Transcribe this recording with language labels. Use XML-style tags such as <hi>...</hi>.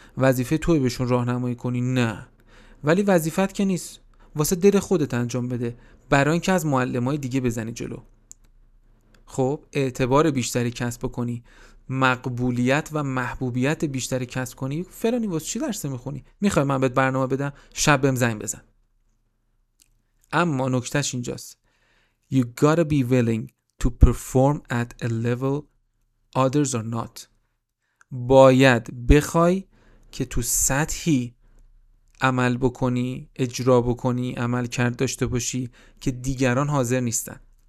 <fa>وظیفه تو بهشون راهنمایی کنی؟ نه. ولی وظیفت که نیست، واسه دل خودت انجام بده، برای اینکه از معلمای دیگه بزنی جلو. خب اعتبار بیشتری کسب کنی، مقبولیت و محبوبیت بیشتری کسب کنی. فلانی واسه چی درس میخونی؟ میخوای من بهت برنامه بدم؟ شب بهم زنگ بزن. اما نکتهش اینجاست.</fa> <en>You gotta be willing to perform at a level others are not.</en> <fa>باید بخوای که تو سطحی عمل بکنی، اجرا بکنی، عمل کرد داشته باشی که دیگران حاضر نیستن.</fa>